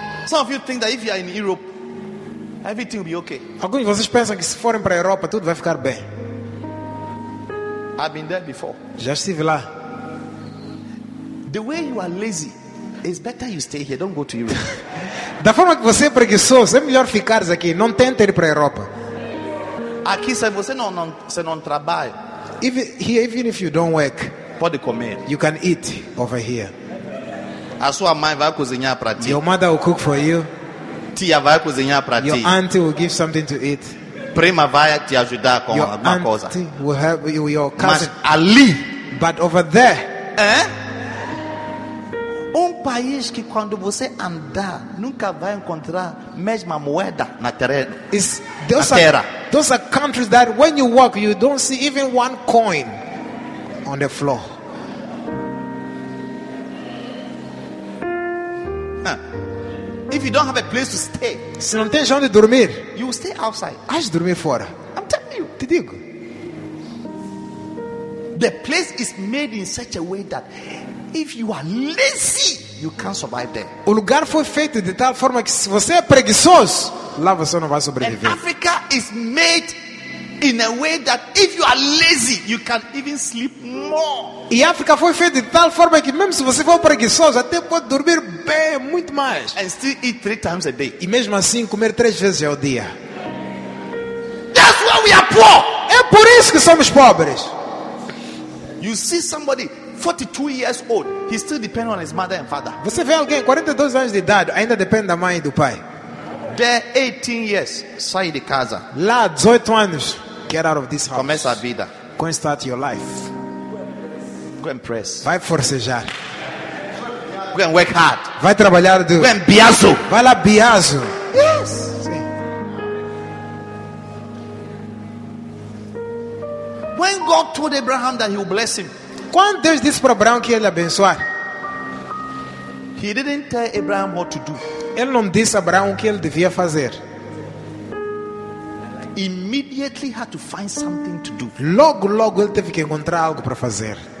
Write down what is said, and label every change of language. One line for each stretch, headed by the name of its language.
English: Some of you think that if you are in Europe, everything will be okay.
Portuguese: Alguns de vocês pensam que se forem para a Europa tudo vai ficar bem.
English: I've been there before.
Portuguese: Já estive lá.
English: The way you are lazy, it's better you stay here. Don't go to Europe.
Portuguese: Da forma que você é preguiçoso, é melhor ficares aqui. Não tente ir para a Europa. Aqui se você não trabalha.
English: Even if you don't work,
Portuguese: pode comer.
English: You can eat over here.
Portuguese: A sua mãe vai cozinhar para ti.
English: Your mother will cook for you.
Portuguese: Tia vai cozinhar para ti.
English: Your auntie will give something to eat.
Portuguese: Prima vai te ajudar com alguma coisa.
English: Your auntie will help you, your cousin.
Portuguese: Mas ali,
English: but over there, eh?
Portuguese: Um país que quando você andar nunca vai encontrar mesma moeda na terra. Deus, na terra.
English: Those are countries that when you walk, you don't see even one coin on the floor. If you don't have a place to stay,
Portuguese: se não tens onde dormir,
English: you will stay outside.
Portuguese: Vais dormir fora.
English: I'm telling you.
Portuguese: Te digo.
English: The place is made in such a way that if you are lazy, you can't survive there.
Portuguese: O lugar foi feito de tal forma que se você é preguiçoso, lá você não vai sobreviver.
English: And Africa is made in a way that if you are lazy, you can even sleep more.
Portuguese: E África foi feita de tal forma que mesmo se você for preguiçoso, até pode dormir bem, muito mais.
English: And still eat three times a day.
Portuguese: E mesmo assim comer três vezes ao dia.
English: That's why we are poor.
Portuguese: É por isso que somos pobres.
English: You see somebody 42 years old, he still depends on his mother and father.
Portuguese: Você vê alguém 42 anos de idade, ainda depende da mãe e do pai.
English: There 18 years,
Portuguese: sai de casa. Lá 18 anos,
English: get out of this house.
Portuguese: Começa a vida.
English: Go and start your life. Go and press.
Portuguese: Vai forcejar.
English: Go and work hard.
Portuguese: Vai trabalhar duro.
English: Go and biazo.
Portuguese: Vai lá biazo.
English: Yes.
Portuguese: Sim.
English: When God told Abraham that he will bless him.
Portuguese: Quando Deus disse para Abraão que ele ia abençoar.
English: He didn't tell Abraham what to do.
Portuguese: Ele não disse a Abraão o que ele devia fazer.
English: Immediately had to find something to do.
Portuguese: Logo ele teve que encontrar algo para fazer.